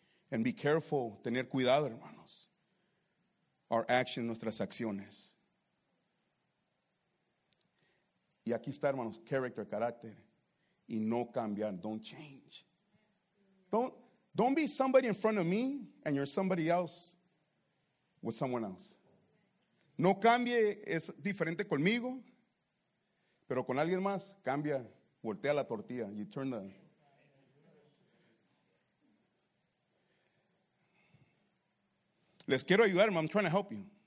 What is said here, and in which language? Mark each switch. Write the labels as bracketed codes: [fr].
[en] And be careful, [es] tener cuidado, hermanos. [en] Our actions, [es] nuestras acciones. Y aquí está, hermanos, character, carácter. Y no cambiar, [en] don't change. Don't be somebody in front of me and you're somebody else with someone else. [es] No cambie, es diferente conmigo. Pero con alguien más, cambia, voltea la tortilla. [en] You turn the... [es] Les quiero ayudar, [en] I'm trying to help you.